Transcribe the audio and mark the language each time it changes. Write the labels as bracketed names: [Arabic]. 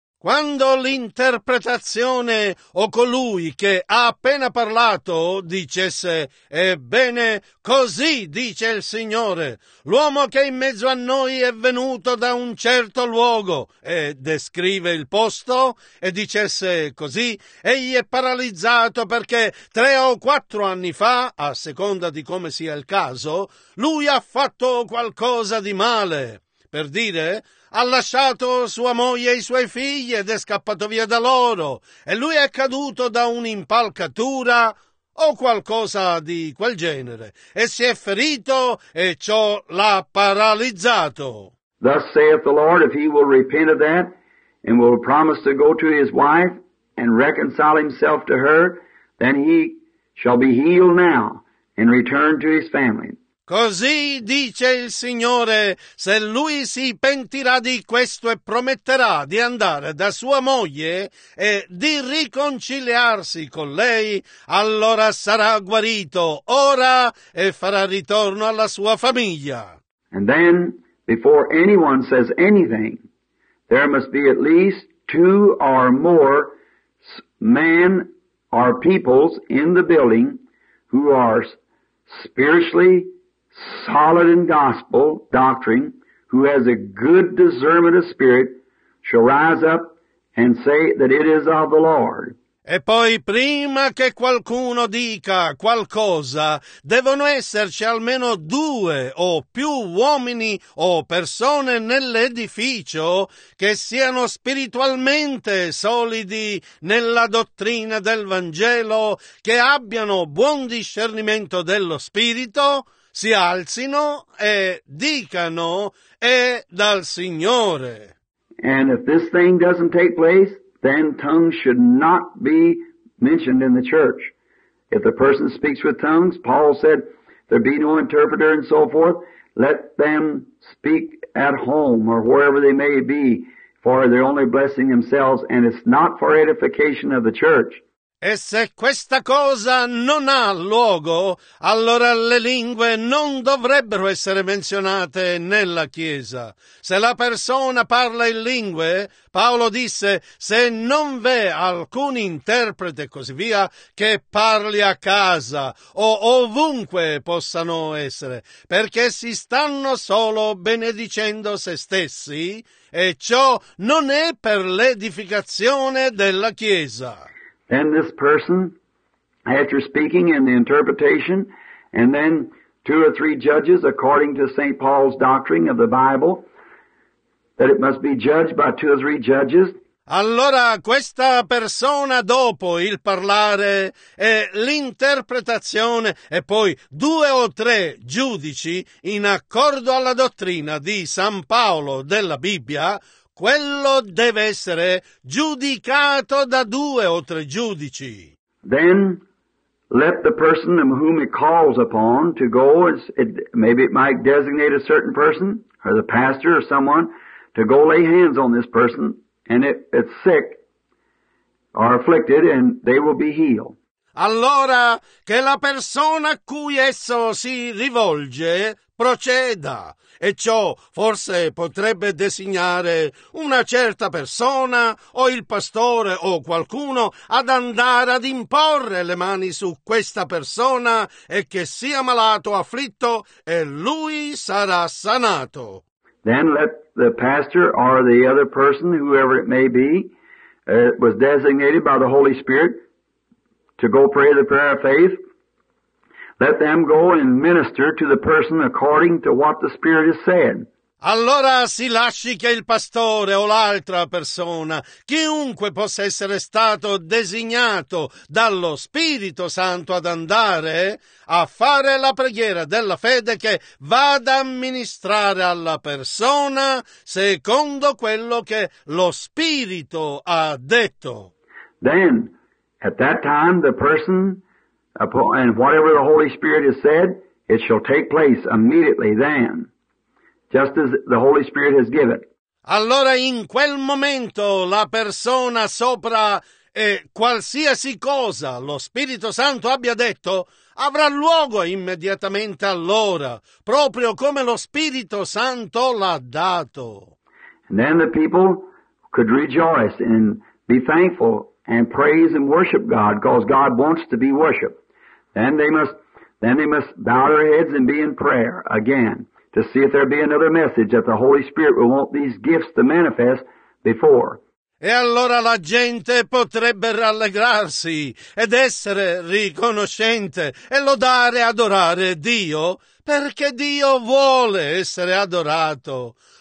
[Italian] Quando l'interpretazione o colui che ha appena parlato dicesse, ebbene, così dice il Signore, l'uomo che in mezzo a noi è venuto da un certo luogo, e descrive il posto, e dicesse così, egli è paralizzato perché 3 o 4 anni fa, a seconda di come sia il caso, lui ha fatto qualcosa di male, per dire... Ha lasciato sua moglie e i suoi figli ed è scappato via da loro. E lui è caduto da un'impalcatura o qualcosa di quel genere. E si è ferito e ciò l'ha paralizzato. [English] Thus saith the Lord, if he will repent of that and will promise to go to his wife and reconcile himself to her, then he shall be healed now and return to his family. [Italian] Così dice il Signore, se lui si pentirà di questo e prometterà di andare da sua moglie e di riconciliarsi con lei, allora sarà guarito ora e farà ritorno alla sua famiglia. [English] And then, before anyone says anything, there must be at least 2 or more men or peoples in the building who are spiritually solid in gospel doctrine, who has a good discernment of spirit, shall rise up and say that it is of the Lord. [Italian] E poi, prima che qualcuno dica qualcosa, devono esserci almeno 2 o più uomini o persone nell'edificio che siano spiritualmente solidi nella dottrina del Vangelo, che abbiano buon discernimento dello spirito. Si alzino e dicano è dal Signore. [English] And if this thing doesn't take place, then tongues should not be mentioned in the church. If the person speaks with tongues, Paul said, there be no interpreter and so forth, let them speak at home or wherever they may be, for they're only blessing themselves, and it's not for edification of the church. [Italian] E se questa cosa non ha luogo, allora le lingue non dovrebbero essere menzionate nella Chiesa. Se la persona parla in lingue, Paolo disse, se non v'è alcun interprete e così via, che parli a casa o ovunque possano essere, perché si stanno solo benedicendo se stessi e ciò non è per l'edificazione della Chiesa. [English] Then this person, after speaking in the interpretation, and then two or three judges according to St. Paul's doctrine of the Bible, that it must be judged by two or three judges. [Italian] Allora questa persona dopo il parlare e l'interpretazione e poi due o tre giudici in accordo alla dottrina di San Paolo della Bibbia, quello deve essere giudicato da due o tre giudici. [English] Then let the person whom it calls upon to go, maybe it might designate a certain person or the pastor or someone to go lay hands on this person. And if it's sick, are afflicted, and they will be healed. [Italian] Allora, che la persona a cui esso si rivolge proceda. E ciò forse potrebbe designare una certa persona, o il pastore, o qualcuno, ad andare ad imporre le mani su questa persona, e che sia malato, afflitto, e lui sarà sanato. [English] Then let the pastor or the other person, whoever it may be, was designated by the Holy Spirit to go pray the prayer of faith. Let them go and minister to the person according to what the Spirit has said. [Italian] Allora si lasci che il pastore o l'altra persona, chiunque possa essere stato designato dallo Spirito Santo ad andare a fare la preghiera della fede, che vada a ministrare alla persona secondo quello che lo Spirito ha detto. [English] Then, at that time, the person, and whatever the Holy Spirit has said, it shall take place immediately then. Just as the Holy Spirit has given. [Italian] Allora in quel momento la persona sopra qualsiasi cosa lo Spirito Santo abbia detto avrà luogo immediatamente allora, proprio come lo Spirito Santo l'ha dato. [English] And then the people could rejoice and be thankful and praise and worship God, because God wants to be worshiped. Then they must bow their heads and be in prayer again. To see if there be another message that the Holy Spirit will want these gifts to manifest before. [Italian] E allora la gente potrebbe rallegrarsi ed essere riconoscente e lodare e adorare Dio, perché Dio vuole essere adorato.